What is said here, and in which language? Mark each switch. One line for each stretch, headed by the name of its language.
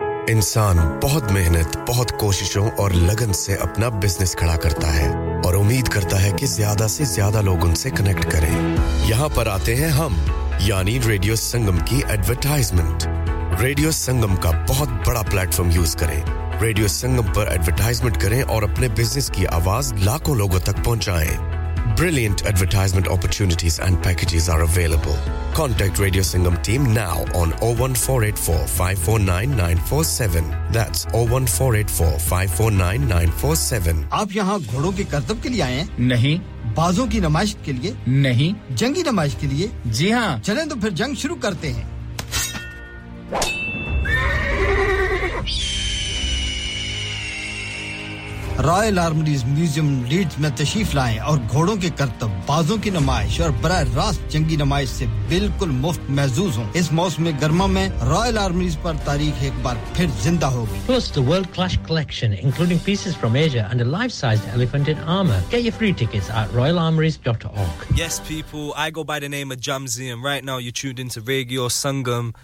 Hindi: इंसान बहुत मेहनत, बहुत कोशिशों और लगन से अपना बिजनेस खड़ा करता है और उम्मीद करता है कि ज्यादा से ज्यादा लोग उनसे कनेक्ट करें। यहां पर आते हैं हम, यानी रेडियो संगम की एडवर्टाइजमेंट। रेडियो संगम का बहुत बड़ा प्लेटफॉर्म यूज करें, रेडियो संगम पर एडवर्टाइजमेंट करें और अपने बिजनेस की आवाज लाखों लोगों तक पहुंचाएं।
English: Brilliant advertisement opportunities and packages are available. Contact Radio Sangam team now on 01484549947. That's 01484549947.
Hindi: आप यहाँ घोड़ों के करतब के लिए आए हैं? नहीं। बाजों की नमाज के लिए? नहीं। जंगी नमाज के लिए? जी हाँ। चलें तो फिर जंग शुरू करते हैं। रॉयल आर्मरीज म्यूजियम लीड्स में तशरीफ लाएं और घोड़ों के करतब, बाजों की नमाइश और बराह रास्त जंगी नमाइश से बिल्कुल मुफ्त महजूज हों। इस मौसम गर्मा में रॉयल आर्मरीज पर तारीख एक बार फिर जिंदा होगी।
English: Plus the world class collection including pieces from Asia and a life-sized elephant in armor. Get your free tickets at royalarmories.org. Yes people, I go by the name of Jamzy and right now you're tuned into Radio Sangam.